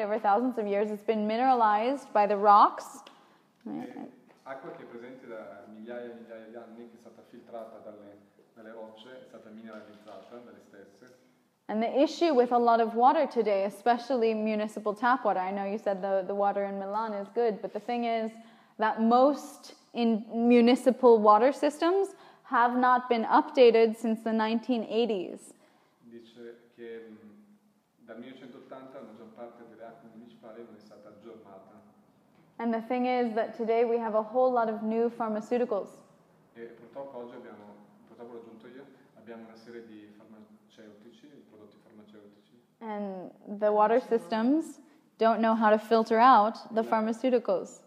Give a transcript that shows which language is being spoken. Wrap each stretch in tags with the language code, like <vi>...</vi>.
<en>Over thousands of years, it's been mineralized by the rocks.</en> <it>Acqua che è presente da migliaia e migliaia di anni, che è stata filtrata dalle rocce, è stata mineralizzata dalle stesse.</it> <en>And the issue with a lot of water today, especially municipal tap water, I know you said the water in Milan is good, but the thing is that most in municipal water systems have not been updated since the 1980s.</en> <it>Dice che dal 1980 la maggior parte delle acque municipali non è stata aggiornata.</it> <en>And the thing is that today we have a whole lot of new pharmaceuticals.</en> <it>E purtroppo oggi purtroppo l'ho aggiunto io, abbiamo una serie di farmaceutici, prodotti farmaceutici.</it> <en>And the water systems don't know how to filter out the pharmaceuticals.</en>